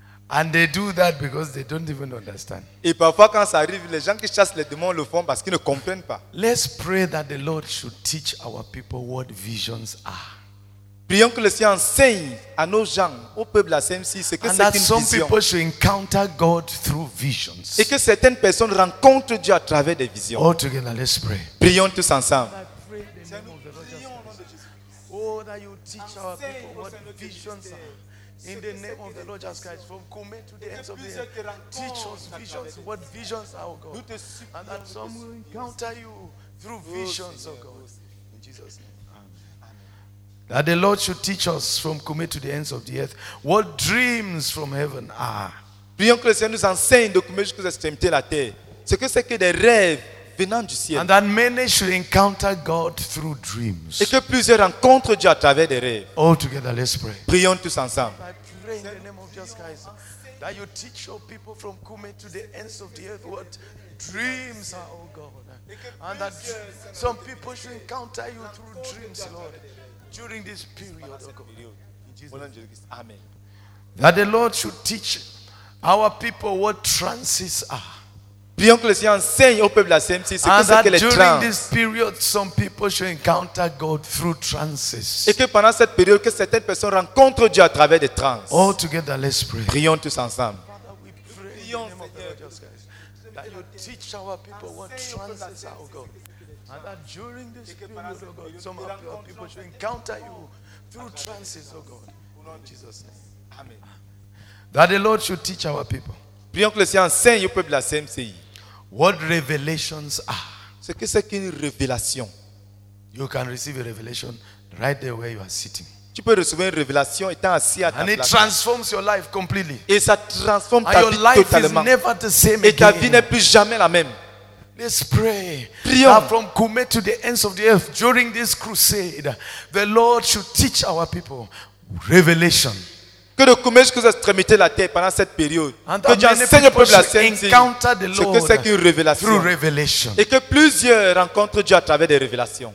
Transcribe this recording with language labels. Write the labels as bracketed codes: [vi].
[en] And they do that because they don't even understand. [fr] Et parfois quand ça arrive, les gens qui chassent les démons le font parce qu'ils ne comprennent pas. [en] Let's pray that the Lord should teach our people what visions are. [fr] Prions que le Seigneur enseigne à nos gens, au peuple de la CMC, ce que c'est qu'une vision. [en] And that some people should encounter God through visions. [fr] Et que certaines personnes rencontrent Dieu à travers des visions. [en] All together, let's pray. [fr] Prions tous ensemble. [en] Oh, that you teach our people what visions are. In the name of the Lord Jesus Christ, from Kume to the ends of the earth, teach us visions, what visions are, oh God. And that some will encounter you through visions, oh God. In Jesus' name. That the Lord should teach us from Kume to the ends of the earth what dreams from heaven are. [fr] Prions que le Seigneur nous enseigne de Kume jusqu'aux extrémités de la terre. Ce que c'est que des rêves venant du ciel. [en] And that many should encounter God through dreams. [fr] Et que plusieurs rencontrent Dieu à travers des rêves. [en] All together, let's pray. [fr] Prions tous ensemble. [en] I pray in the name of Jesus Christ that you teach your people from Kume to the ends of the earth what dreams are, oh God. And that some people should encounter you through dreams, Lord, during this period, oh God. In Jesus' name. Amen. That the Lord should teach our people what trances are. [fr] Prions que le Seigneur enseigne au peuple de la CMC ce que c'est que les trances. [en] During this period, some people should encounter God through trances. [fr] Et que pendant cette période, que certaines personnes rencontrent Dieu à travers des trances. [en] All together, let's pray. [fr] Prions tous ensemble. [en] Father, we pray in the name of the Lord Jesus Christ that you teach our people what trances are, oh God. And that during this period, oh God, some of our people should encounter you through trances, oh God. In Jesus' name. Amen. That the Lord should teach our people. [fr] Prions que le Seigneur enseigne au peuple de la CMCI. [en] What revelations are? [fr] Ce que c'est qu'une révélation. [en] You can receive a revelation right there where you are sitting. [fr] Tu peux recevoir une révélation étant assis à ta place. [en] And it transforms your life completely. [fr] Et ça transforme [en] and [fr] ta vie totalement. [en] And your life is never the same [fr] et [en] again. [fr] Et ta vie n'est plus jamais la même. [en] Let's pray. [fr] Prions. [en] That from Kume to the ends of the earth during this crusade, the Lord should teach our people revelation. [fr] Que de Kume jusqu'aux extrémités de la terre pendant cette période. Que Dieu enseigne au peuple de la sainte ce que c'est qu'une révélation. [en] Through revelation. [fr] Et que plusieurs rencontrent Dieu à travers des révélations.